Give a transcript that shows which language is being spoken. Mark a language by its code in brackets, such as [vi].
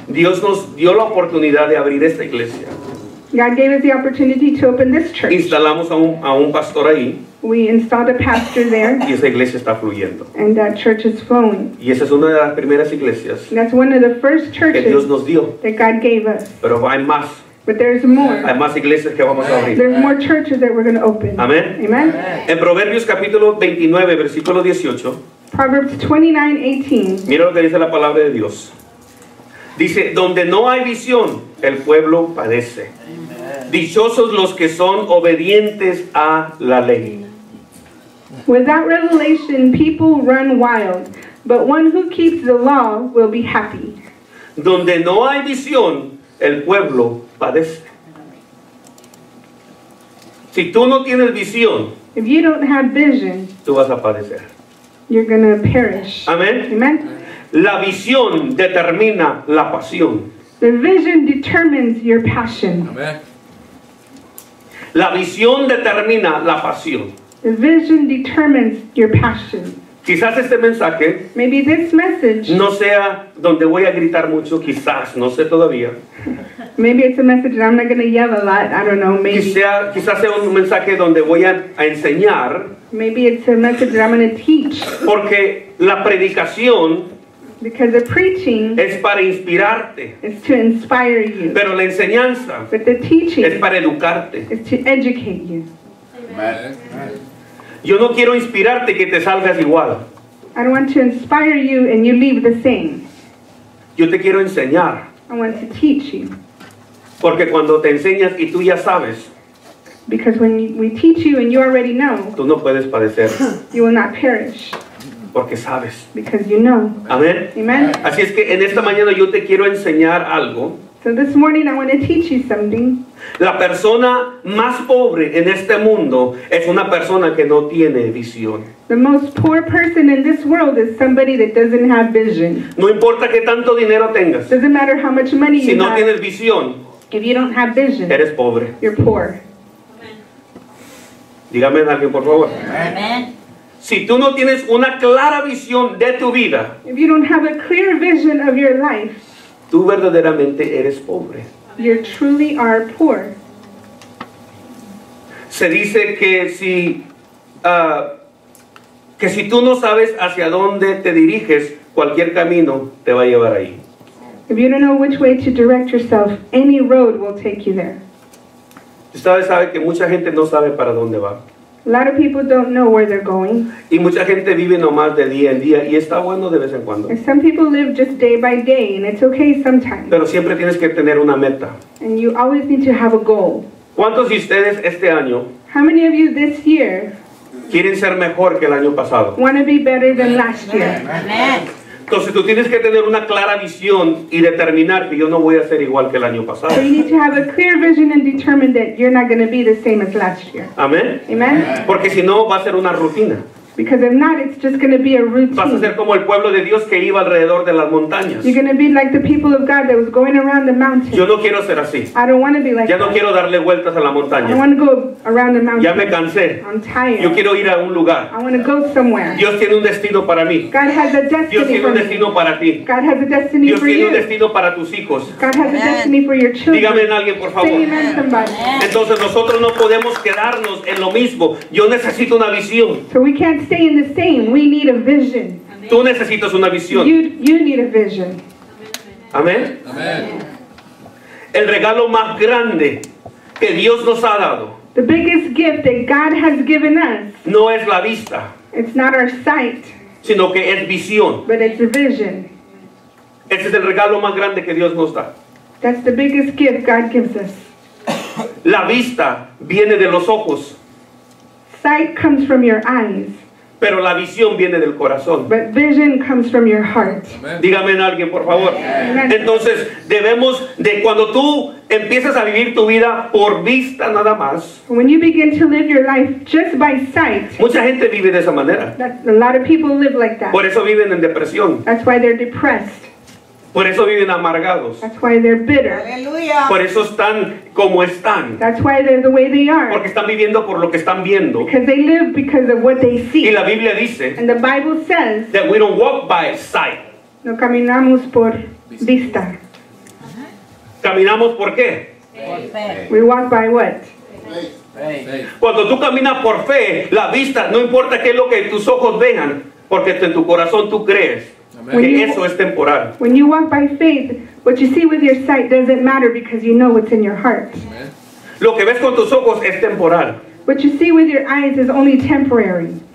[es] Dios nos dio la oportunidad de abrir esta iglesia. [en] God gave us the opportunity to open this church. [es] Instalamos a un pastor ahí. [en] We installed a pastor there. [es] Y esa iglesia está fluyendo. [en] And that church is flowing. [es] Y esa es una de las primeras iglesias. [en] That's one of the first churches [es] que Dios nos dio. [en] That God gave us. [es] Pero hay más. [en] But there's more. [es] Hay más iglesias que vamos a abrir. [en] There's more churches that we're going to open. Amen. Amen. [es] En Proverbios capítulo 29, versículo 18. [en] Proverbs 29:18. [es] Mira lo que dice la palabra de Dios. Dice, donde no hay visión, el pueblo padece. Amen. Dichosos los que son obedientes a la ley. [en] Without revelation, people run wild, but one who keeps the law will be happy. [es] Donde no hay visión, el pueblo padece. Si tú no tienes visión, [en] if you don't have vision, [es] tú vas a padecer. [en] You're going to perish. Amen. Amen. [es] La visión determina la pasión. [en] The vision determines your passion. Amen. [es] La visión determina la pasión. [en] The vision determines your passion. [es] Quizás este mensaje, [en] maybe this message, [es] no sea donde voy a gritar mucho, quizás, no sé todavía. [en] Maybe it's a message that I'm not going to yell a lot, I don't know, maybe. [es] Quizás sea un mensaje donde voy a enseñar. [en] Maybe it's a message that I'm going to teach. [es] Porque la predicación, [en] because the preaching, [es] es para inspirarte. [en] It's to inspire you. [es] Pero la enseñanza, [en] but the teaching, [es] es para educarte. [en] It's to educate you. Amen. [es] Yo no quiero inspirarte que te salgas igual. [en] I don't want to inspire you and you leave the same. [es] Yo te quiero enseñar. [en] I want to teach you. [es] Porque cuando te enseñas y tú ya sabes, [en] because when we teach you and you already know, [es] tú no puedes padecer. [en] You will not perish. [es] Porque sabes. [en] Because you know. Amen. Amen. [es] Así es que en esta mañana yo te quiero enseñar algo. [en] So this morning I want to teach you something. [es] La persona más pobre en este mundo es una persona que no tiene visión. [en] The most poor person in this world is somebody that doesn't have vision. [es] No importa qué tanto dinero tengas. [en] Doesn't matter how much money you [es] Si no tienes visión, [en] if you don't have vision, [es] eres pobre. [en] You're poor. [es] Amen. Dígame a alguien, por favor. [en] Amen. [es] Si tú no tienes una clara visión de tu vida, [en] if you don't have a clear vision of your life, [es] tú verdaderamente eres pobre. [en] You truly are poor. [es] Se dice que si tú no sabes hacia dónde te diriges, cualquier camino te va a llevar ahí. [en] If you don't know which way to direct yourself, any road will take you there. [es] Usted sabe que mucha gente no sabe para dónde va. [en] A lot of people don't know where they're going. [es] Y mucha gente vive nomás de día en día y está bueno de vez en cuando. [en] And some people live just day by day and it's okay sometimes. [es] Pero siempre tienes que tener una meta. [en] And you always need to have a goal. [es] ¿Cuántos de ustedes este año? [en] How many of you this year? [es] Quieren ser mejor que el año pasado. [en] Want to be better than last year. Amen. [es] Entonces tú tienes que tener una clara visión y determinar que yo no voy a ser igual que el año pasado. [en] So you need to have a clear vision and determine that you're not going to be the same as last year. [es] Amén. [en] Amen. [es] Porque si no va a ser una rutina. [en] Because if not, it's just going to be a routine. [es] Vas a ser como el pueblo de Dios que iba alrededor de las montañas. [en] You're going to be like the people of God that was going around the mountain. [es] Yo no quiero ser así. [en] I don't want to be like that. [es] Ya no quiero darle vueltas a la montaña. [en] I don't want to go around the mountain. [es] Ya me cansé. [en] I'm tired. [es] Yo quiero ir a un lugar. [en] I want to go somewhere. [es] Dios tiene un destino para mí. [en] God has a destiny for me. [es] Dios tiene un destino para ti. [en] God has a destiny [es] Dios [en] for you. [es] Dios tiene un destino para tus hijos. [en] God has a destiny for your children. [es] Dígame en alguien, por favor. [en] Say amen, somebody. [es] Entonces nosotros no podemos quedarnos en lo mismo. Yo necesito una visión. [en] So we can't stay in the same. We need a vision. [es] Amen. Tú necesitas una visión. [en] You need a vision. [es] Amén. Amén. El regalo más grande que Dios nos ha dado. [en] The biggest gift that God has given us. [es] No es la vista. [en] It's not our sight. [es] Sino que es visión. [en] But it's a vision. [es] Ese es el regalo más grande que Dios nos da. [en] That's the biggest gift God gives us. [es] La vista viene de los ojos. [en] Sight comes from your eyes. [es] Pero la visión viene del corazón. [en] But vision comes from your heart. [es] Amen. Dígame en alguien, por favor. Amen. Entonces, debemos de cuando tú empiezas a vivir tu vida por vista nada más. [en] When you begin to live your life just by sight. [es] Mucha gente vive de esa manera. [en] A lot of people live like that. [es] Por eso viven en depresión. [en] That's why they're depressed. [es] Por eso viven amargados. [en] That's why they're bitter. [es] Aleluya. Por eso están como están. [en] That's why they're the way they are. [es] Porque están viviendo por lo que están viendo. [en] Because they live because of what they see. [es] Y la Biblia dice. [en] And the Bible says. That we don't walk by sight. [es] No caminamos por vista. ¿Caminamos por qué? [en] We walk by what? [es] Cuando tú caminas por fe, la vista, no importa qué es lo que tus ojos vean, porque en tu corazón tú crees. [en] When you walk by faith, what you see with your sight doesn't matter because you know what's in your heart. [es] Lo que ves con tus ojos es temporal. [en] What you see with your eyes is only temporary.